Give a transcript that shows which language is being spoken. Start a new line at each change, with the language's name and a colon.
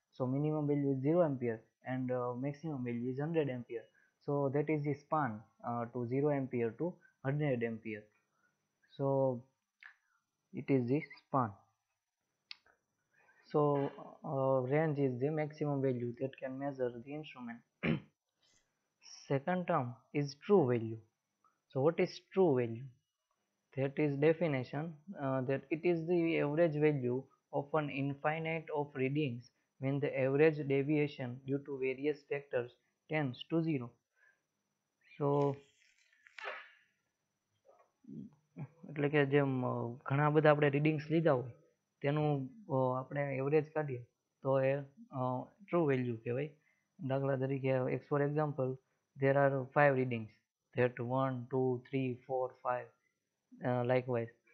English: So minimum value is 0 ampere and maximum value is 100 ampere. So that is the span to 0 ampere to 100 ampere. So it is the span. So range is the maximum value that can measure the instrument. Second term is true value. So what is true value? That is definition that it is the average value of an infinite of readings when the average deviation due to various factors tends to zero.
Gujarati: So એટલે કે જેમ ઘણા બધા આપણે readings લીધા હોય તેનું આપણે એવરેજ કાઢીએ તો એ ટ્રુ વેલ્યુ કહેવાય. દાખલા તરીકે
English: For example there are 5 readings, that 1, 2, 3, 4, 5 likewise.